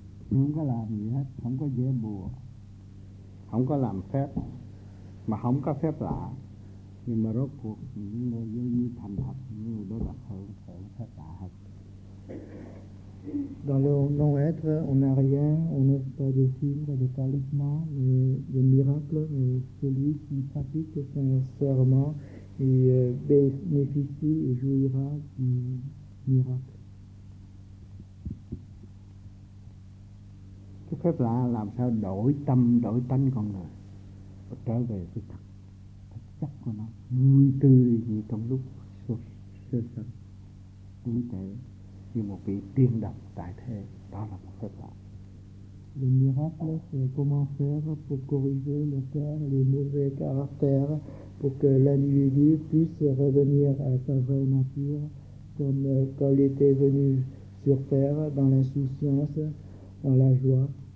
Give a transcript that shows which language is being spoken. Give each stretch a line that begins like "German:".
Vietnamese: Không có làm gì hết, không có dễ bùa, không có làm phép, mà không có phép lạ. Nhưng mà rốt cuộc những người vô vi thành thật, những người đó đặt hơn, sẽ phép lạ hết.
French: Dans le non-être, on n'a rien, on n'a pas de signes, pas de talisman, mais de miracles, mais celui qui pratique sincèrement, il bénéficie et jouira du miracle.
Vietnamese: Cái phép lạ làm sao đổi tâm, đổi tánh con người, trở về cái thật, thật chất của nó, vui tươi như trong lúc sơ sinh, tuổi trẻ. Như một vị tiên đồng tại thế, đó là một phép lạ.
French: Le miracle, c'est comment faire pour corriger le cœur, les mauvais caractères, pour que l'individu puisse revenir à sa vraie nature, comme quand il était venu sur terre, dans l'insouciance, dans la joie.